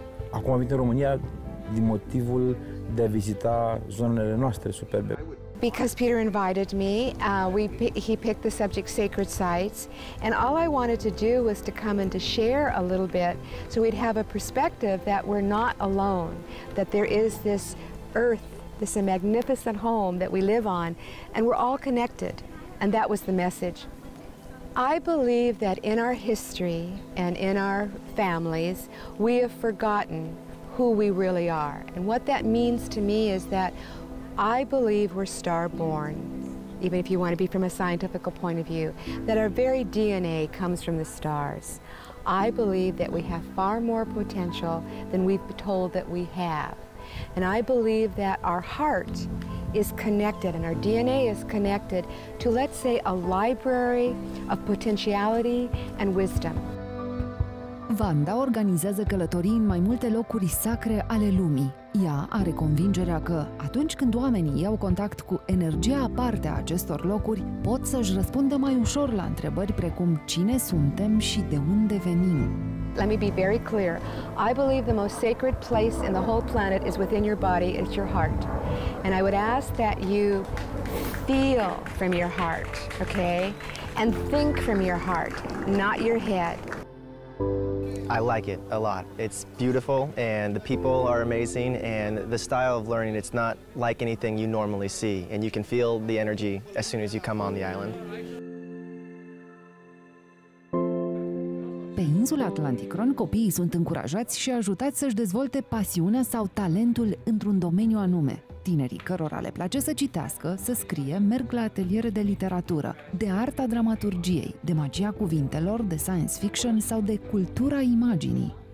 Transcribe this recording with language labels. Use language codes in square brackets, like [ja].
[ro] Acum a venit în România din motivul de a vizita zonele noastre superbe. [en] Because Peter invited me, he picked the subject sacred sites, and all I wanted to do was to come and to share a little bit so we'd have a perspective that we're not alone, that there is this earth, this magnificent home that we live on, and we're all connected, and that was the message. I believe that in our history and in our families, we have forgotten who we really are. And what that means to me is that I believe we're star-born, even if you want to be from a scientific point of view, that our very DNA comes from the stars. I believe that we have far more potential than we've been told that we have. And I believe that our heart is connected and our DNA is connected to, let's say, a library of potentiality and wisdom. [ro] Wanda organizează călătorii în mai multe locuri sacre ale lumii. Ea are convingerea că atunci când oamenii iau contact cu energia aparte a acestor locuri, pot să-și răspundă mai ușor la întrebări precum cine suntem și de unde venim. [en] Let me be very clear. I believe the most sacred place in the whole planet is within your body, it's your heart. And I would ask that you feel from your heart, okay? And think from your heart, not your head. I like it a lot. It's beautiful and the people are amazing and the style of learning, it's not like anything you normally see and you can feel the energy as soon as you come on the island. [ro] Pe insula Atlanticron, copiii sunt încurajați și ajutați să-și dezvolte pasiunea sau talentul într-un domeniu anume. Tinerii cărora le place să citească, să scrie, merg la ateliere de literatură, de arta dramaturgiei, de magia cuvintelor, de science fiction sau de cultura imaginii.